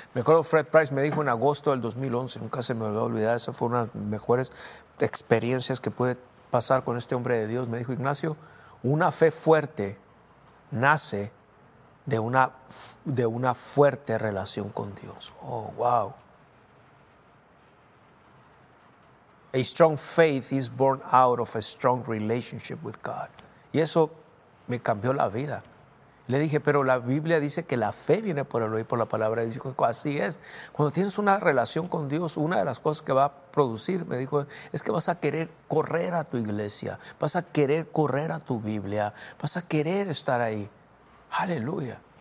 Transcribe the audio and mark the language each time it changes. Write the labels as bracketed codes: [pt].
[es] Me acuerdo Fred Price me dijo en agosto del 2011, nunca se me va a olvidar, esa fue una de las mejores experiencias que pude pasar con este hombre de Dios. Me dijo, Ignacio, una fe fuerte nace de una fuerte relación con Dios. [en] Oh, wow. A strong faith is born out of a strong relationship with God. [es] Y eso me cambió la vida. Le dije, pero la Biblia dice que la fe viene por el oír, por la palabra. Y dijo, así es. Cuando tienes una relación con Dios, una de las cosas que va a producir, me dijo, es que vas a querer correr a tu iglesia, vas a querer correr a tu Biblia, vas a querer estar ahí. Aleluya.